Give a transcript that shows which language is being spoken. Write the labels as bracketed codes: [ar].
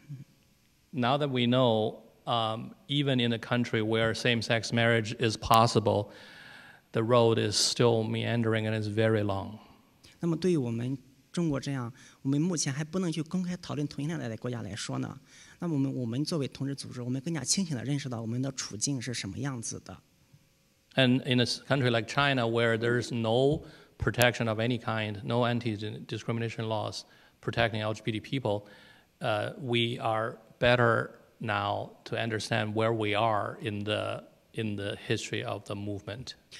[en] that we know, even in a country where same-sex marriage is possible, the road is still meandering and is very long. [zh] 那么对于我们 中国这样，我们目前还不能去公开讨论同性恋的国家来说呢。那么我们作为同志组织，我们更加清醒地认识到我们的处境是什么样子的。 [en] And in a country like China, where there is no protection of any kind, no anti-discrimination laws protecting LGBT people, we are better now to understand where we are in the history of the movement.